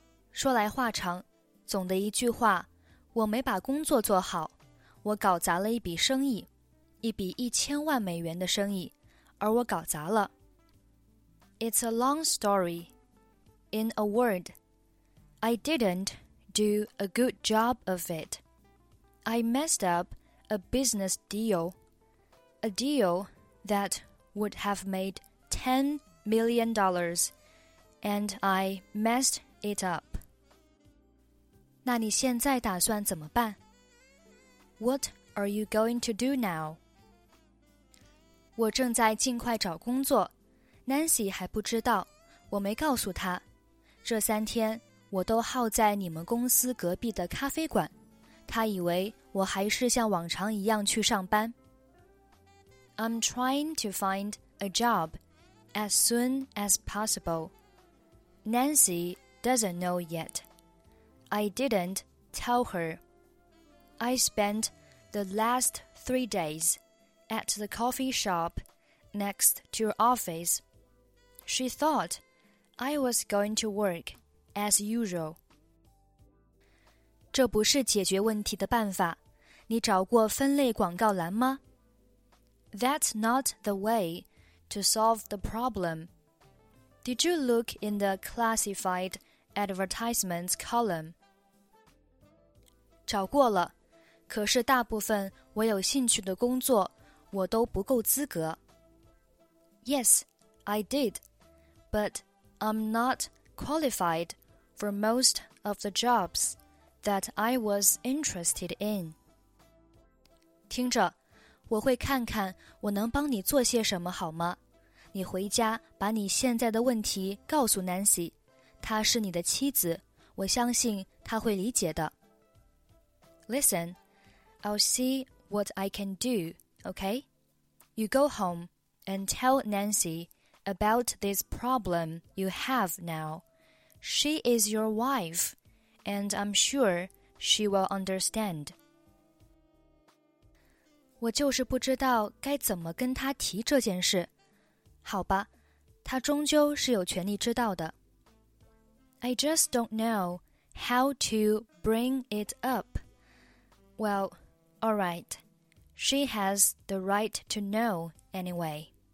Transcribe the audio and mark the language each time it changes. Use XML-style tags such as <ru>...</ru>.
<zh>说来话长，总的一句话，我没把工作做好，我搞砸了一笔生意，一笔$1,000,000的生意，而我搞砸了。</zh> <en>It's a long story. In a word, I didn't do a good job of it. I messed up a business deal, a deal that would have made $10 million, and I messed it up.</en> <zh>那你现在打算怎么办?</zh> <en>What are you going to do now?</en> <zh>我正在尽快找工作。 Nancy 还不知道，我没告诉她。这三天我都耗在你们公司隔壁的咖啡馆，她以为我还是像往常一样去上班。</zh> <en>I'm trying to find a job as soon as possible. Nancy doesn't know yet. I didn't tell her. I spent the last 3 days at the coffee shop next to your office. She thought I was going to work as usual.</en> <zh>这不是解决问题的办法。你找过分类广告栏吗?</zh> <en>That's not the way to solve the problem. Did you look in the classified advertisements column?</en> <zh>找过了,可是大部分我有兴趣的工作,我都不够资格。</zh> <en>Yes, I did. But I'm not qualified for most of the jobs that I was interested in.</en> <zh>听着，我会看看我能帮你做些什么好吗？你回家把你现在的问题告诉 Nancy， 她是你的妻子，我相信她会理解的。</zh> <en>Listen, I'll see what I can do, okay? You go home and tell Nancy about this problem you have now. She is your wife, and I'm sure she will understand.</en> <zh>我就是不知道该怎么跟她提这件事。好吧，她终究是有权利知道的。</zh> <en>I just don't know how to bring it up. Well, all right. She has the right to know anyway.</en>